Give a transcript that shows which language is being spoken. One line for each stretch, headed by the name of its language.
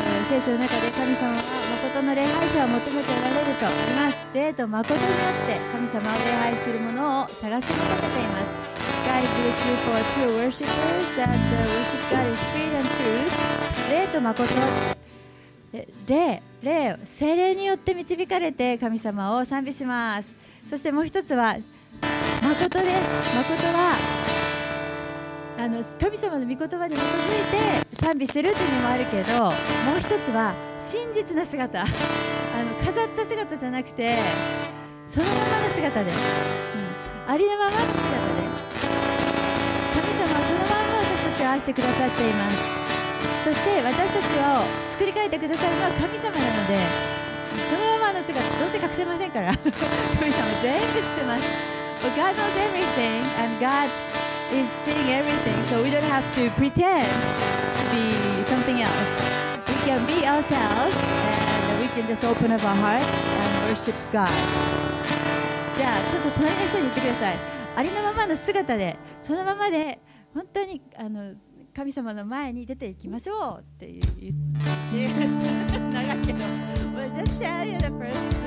Japanese: 聖書の中で神様は誠の礼拝者を求めておられると言います。礼と誠にあって神様を礼拝するものを探し求めています。
English: God is looking for true worshipers that worship God in spirit and truth。
Japanese: 礼と誠、礼、聖霊によって導かれて神様を賛美します。そしてもう一つは誠です。誠は神様の御言葉に基づいて賛美するというのもあるけど、もう一つは真実な姿、飾った姿じゃなくてそのままの姿で、ありのままの姿で、神様はそのまま私たちを愛してくださっています。そして私たちを作り変えてくださるのは神様なので、そのままの姿どうせ隠せませんから神様全部知ってます。
English: But God knows everything and Godis seeing everything, so we don't have to pretend to be something else. We can be ourselves, and we can just open up our hearts and worship God.
Japanese: じゃあちょっと隣の人に言ってください。ありのままの姿で、そのままで本当に神様の前に出ていきましょうっていう。長いけど、
English: just say you're the person.